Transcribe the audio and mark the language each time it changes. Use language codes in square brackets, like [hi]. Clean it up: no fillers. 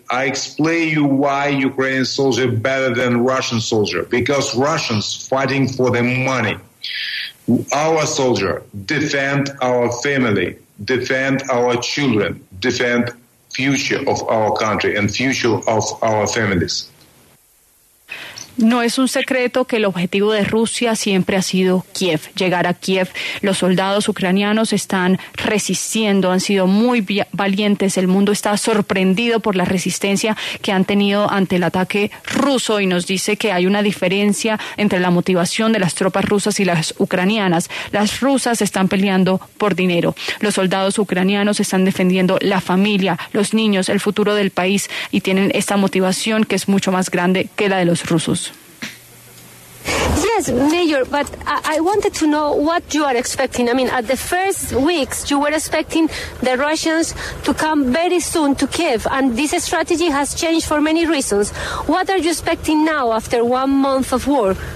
[en] I explain you why Ukrainian soldier better than Russian soldier, because Russians fighting for the money. Our soldier defend our family, defend our children, defend future of our country and future of our families. [es] No es un secreto que el objetivo de Rusia siempre ha sido Kiev, llegar a Kiev. Los soldados ucranianos están resistiendo, han sido muy valientes. El mundo está sorprendido por la resistencia que han tenido ante el ataque ruso y nos dice que hay una diferencia entre la motivación de las tropas rusas y las ucranianas. Las rusas están peleando por dinero. Los soldados ucranianos están defendiendo la familia, los niños, el futuro del país y tienen esta motivación que es mucho más grande que la de los rusos. [en] Yes, Major, but I wanted to know what you are expecting. I mean, at the first weeks, you were expecting the Russians to come very soon to Kyiv, and this strategy has changed for many reasons. What are you expecting now after 1 month of war?